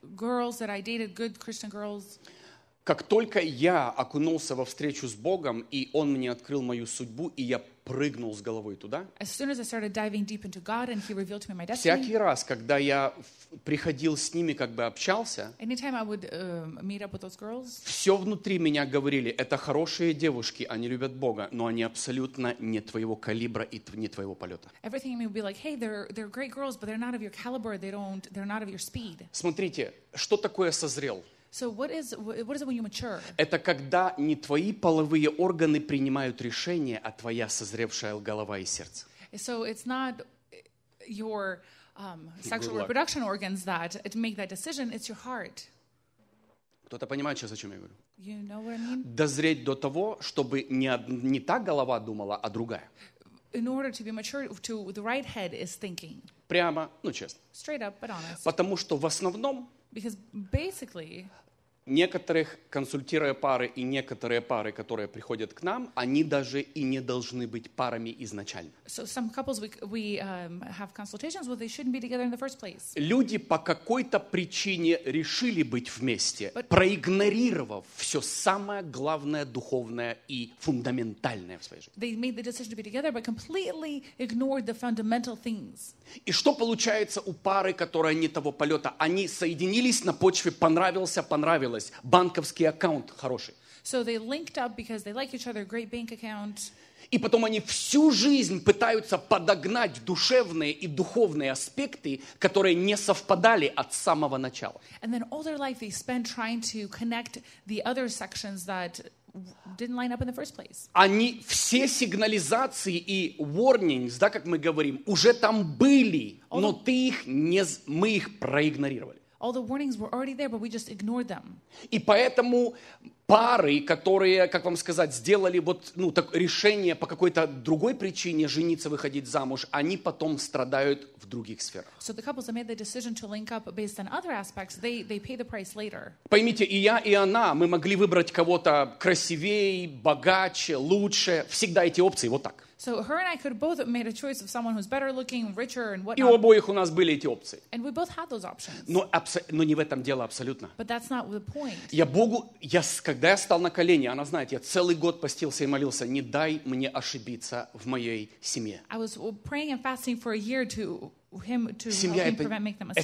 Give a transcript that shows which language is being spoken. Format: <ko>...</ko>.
<en>Girls that I dated, good Christian girls.</en> <ru>Как только я окунулся во встречу с Богом, и Он мне открыл мою судьбу, и я прыгнул с головой туда, всякий раз, когда я приходил с ними, как бы общался,</ru> <en>anytime I would, meet up with those girls,</en> <ru>все внутри меня говорили, это хорошие девушки, они любят Бога, но они абсолютно не твоего калибра и не твоего полета.</ru> <en>Everything in me would be like, hey, they're great girls, but they're not of your caliber, they're not of your speed.</en> <ru>Смотрите, что такое созрел?</ru> <en>So what is it when you mature?</en> <ru>Это когда не твои половые органы принимают решение, а твоя созревшая голова и сердце.</ru> <en>So it's not your sexual reproduction organs that make that decision, it's your heart.</en> <ru>Кто-то понимает сейчас, о чем я говорю?</ru> <en>You know what I mean?</en> <ru>Дозреть до того, чтобы не та голова думала, а другая.</ru> <en>In order to be mature, to the right head is thinking.</en> <ru>Прямо, ну честно.</ru> <en>Straight up, but honest.</en> <ru>Потому что в основном</ru> <en>Because basically,</en> <ru>некоторых, консультируя пары и некоторые пары, которые приходят к нам, они даже и не должны быть парами изначально.</ru> <en>So some couples we have consultations with, they shouldn't be together in the first place.</en> <ru>Люди по какой-то причине решили быть вместе,</ru> <en>but</en> <ru>проигнорировав все самое главное, духовное и фундаментальное в своей жизни.</ru> <en>They made the decision to be together, but completely ignored the fundamental things.</en> <ru>И что получается у пары, которая не того полета? Они соединились на почве понравился, понравилось. Банковский аккаунт хороший.</ru> <en>So they linked up because they like each other, great bank account.</en> <ru>И потом они всю жизнь пытаются подогнать душевные и духовные аспекты, которые не совпадали от самого начала.</ru> <en>And then all their life they spend trying to connect the other sections that didn't line up in the first place.</en> <ru>Они все сигнализации и</ru> <en>warnings,</en> <ru>да, как мы говорим, уже там были, но ты их не, мы их проигнорировали.</ru> <en>All the warnings were already there, but we just ignored them.</en> <ru>И поэтому пары, которые, как вам сказать, сделали вот, ну, так, решение по какой-то другой причине жениться, выходить замуж, они потом страдают в других сферах.</ru> <en>So the couples that made the decision to link up based on other aspects, they pay the price later.</en> <ru>Поймите, и я, и она, мы могли выбрать кого-то красивее, богаче, лучше, всегда эти опции, вот так.</ru> <en>So her and I could both have made a choice of someone who's better looking, richer, and whatnot.</en> <ru>И у обоих у нас были эти опции.</ru> <en>And we both had those options.</en> <ru>Но не в этом дело абсолютно.</ru> <en>But that's not the point.</en> <ru>Я Богу, я, когда я стал на колени, она знает, я целый год постился и молился, не дай мне ошибиться в моей семье.</ru> <en>I was praying and fasting for a year to him to</en> <ru>семья</ru> <en>help me prevent making a mistake.</en>